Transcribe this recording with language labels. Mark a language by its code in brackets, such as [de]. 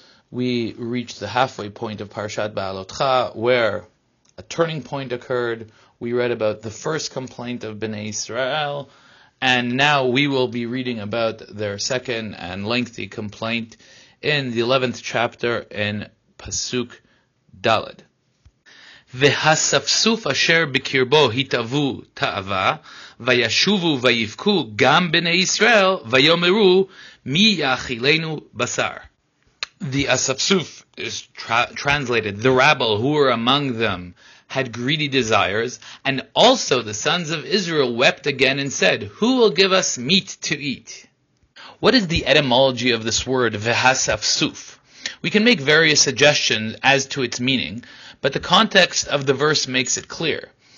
[en] We reached the halfway point of Parshat Be'ha'alotcha, where a turning point occurred. We read about the first complaint of Bnei Israel, and now we will be reading about their second and lengthy complaint in the 11th chapter in Pasuk Dalet. [he] והספסוף אשר בקרבו התאבו תאווה, וישובו ויבכו גם בני ישראל, ויאמרו מי יאכילנו בשר. [en] The asafsuf is translated, the rabble who were among them had greedy desires, and also the sons of Israel wept again and said, who will give us meat to eat? What is the etymology of this word, והספסוף? We can make various suggestions as to its meaning, but the context of the verse makes it clear.